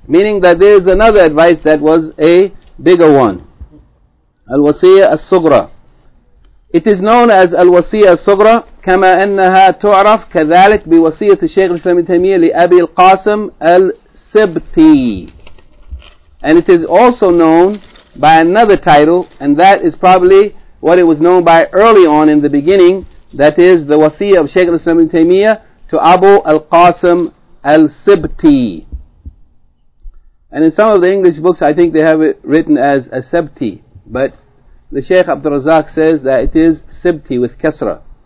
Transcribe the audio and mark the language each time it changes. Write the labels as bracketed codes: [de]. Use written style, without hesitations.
[en] Meaning that there is another advice that was a bigger one. Al-Wasiyya, As-Sughra. It is known as Al-Wasiyya As-Sughra [ar] كما أنها تعرف كذلك بوصية الشيخ الإسلام ابن تيمية لأبي القاسم السبتي. [en] And it is also known by another title, and that is probably what it was known by early on in the beginning, that is the wasiyah of Shaykh al-Islam ibn Taymiyyah to Abu al-Qasim al-Sibti. And in some of the English books, I think they have it written as al-Sibti, but the Shaykh Abdul Razak says that it is Sibti with Kasra.